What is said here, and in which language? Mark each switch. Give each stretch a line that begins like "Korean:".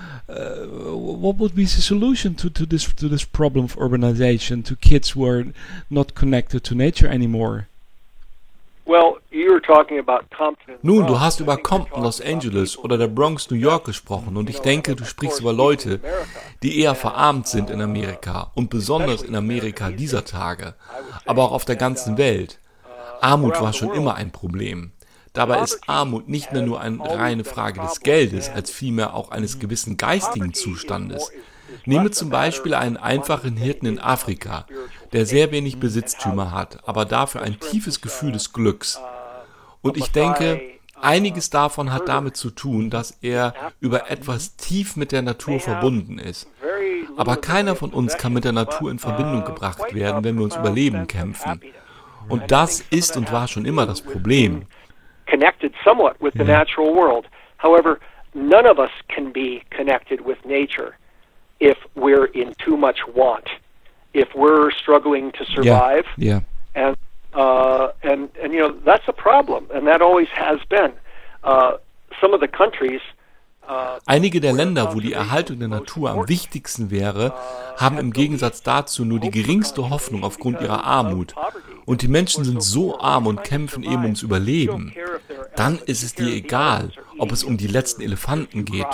English: What would be the solution to this problem of urbanization, to kids who are not connected to nature anymore? Well, you're talking about Compton.
German: Nun, du hast über Compton, Los Angeles oder der Bronx, New York gesprochen, und ich denke, du sprichst über Leute, die eher verarmt sind in Amerika und besonders in Amerika dieser Tage, aber auch auf der ganzen Welt. Armut war schon immer ein Problem. Dabei ist Armut nicht mehr nur eine reine Frage des Geldes, als vielmehr auch eines gewissen geistigen Zustandes. Nehme zum Beispiel einen einfachen Hirten in Afrika, der sehr wenig Besitztümer hat, aber dafür ein tiefes Gefühl des Glücks. Und ich denke, einiges davon hat damit zu tun, dass er über etwas tief mit der Natur verbunden ist. Aber keiner von uns kann mit der Natur in Verbindung gebracht werden, wenn wir ums Überleben kämpfen. Und das ist und war schon immer das Problem.
English: Connected somewhat with the natural world. However, none of us can be connected with nature if we're in too much want, if we're struggling to survive. Yeah. Yeah. And you know, that's a problem, and that always has been. Some of the countries.
German: Einige der Länder, wo die Erhaltung der Natur am wichtigsten wäre, haben im Gegensatz dazu nur die geringste Hoffnung aufgrund ihrer Armut. Und die Menschen sind so arm und kämpfen eben ums Überleben. Dann ist es dir egal, ob es um die letzten Elefanten geht.